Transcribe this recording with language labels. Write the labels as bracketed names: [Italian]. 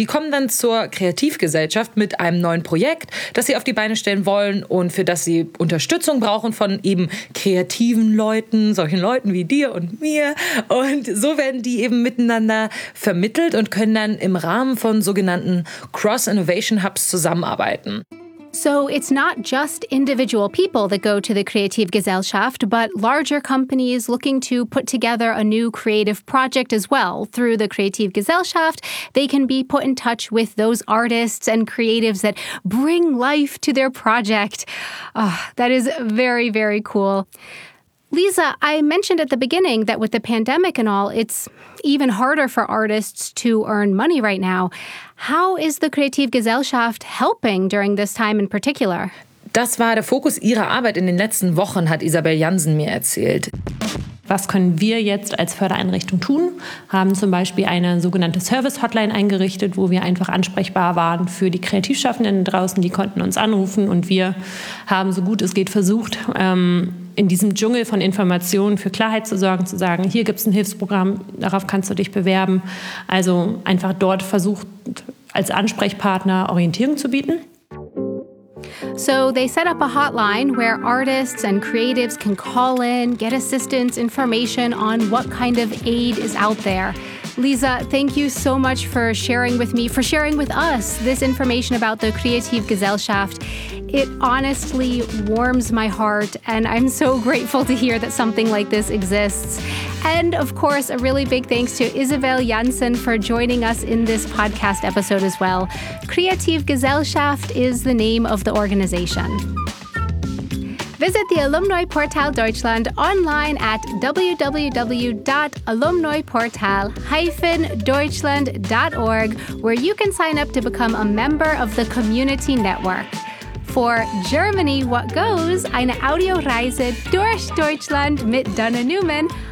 [German] Die kommen dann zur Kreativgesellschaft mit einem neuen Projekt, das sie auf die Beine stellen wollen und für das sie Unterstützung brauchen von eben kreativen Leuten, solchen Leuten wie dir und mir. Und so werden die eben miteinander vermittelt und können dann im Rahmen von sogenannten Cross-Innovation Hubs zusammenarbeiten. [English] So it's not just individual people that go to the Kreativgesellschaft, but larger companies looking to put together a new creative project as well. Through the Kreativgesellschaft, they can be put in touch with those artists and creatives that bring life to their project. Oh, that is very, very cool. Lisa, I mentioned at the beginning that with the pandemic and all, it's even harder for artists to earn money right now. How is the Kreativgesellschaft helping during this time in particular? [German] Das war der Fokus ihrer Arbeit in den letzten Wochen, hat Isabel Jansen mir erzählt. Was können wir jetzt als Fördereinrichtung tun? Haben zum Beispiel eine sogenannte Service-Hotline eingerichtet, wo wir einfach ansprechbar waren für die Kreativschaffenden draußen. Die konnten uns anrufen und wir haben so gut es geht versucht, in diesem Dschungel von Informationen für Klarheit zu sorgen, zu sagen, hier gibt es ein Hilfsprogramm, darauf kannst du dich bewerben. Also einfach dort versucht, als Ansprechpartner Orientierung zu bieten. [English] So they set up a hotline where artists and creatives can call in, get assistance, information on what kind of aid is out there. Lisa, thank you so much for sharing with us this information about the Creative Gesellschaft. It honestly warms my heart, and I'm so grateful to hear that something like this exists. And of course, a really big thanks to Isabel Janssen for joining us in this podcast episode as well. Creative Gesellschaft is the name of the organization. Visit the Alumni Portal Deutschland online at www.alumniportal-deutschland.org, where you can sign up to become a member of the community network. For Germany, what goes, [German] eine Audioreise durch Deutschland mit Dana Neumann.